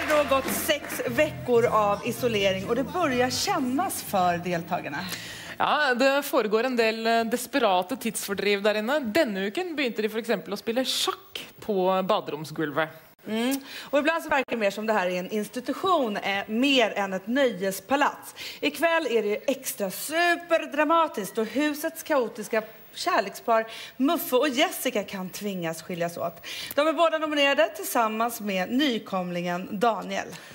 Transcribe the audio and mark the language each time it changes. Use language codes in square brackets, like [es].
[sv] gått 6 veckor av isolering och det börjar kännas för deltagarna. [no] Ja, det foregår en del desperate tidsfordriv der inne. Denne uken begynte de for eksempel å spille sjakk på baderomsgulvet. Mm. [sv] Och ibland så verkar det mer som det här är en institution är mer än ett nöjespalats. Ikväll är det ju extra superdramatiskt och husets kaotiska kärlekspar Muffe och Jessica kan tvingas skiljas åt. De är båda nominerade tillsammans med nykomlingen Daniel.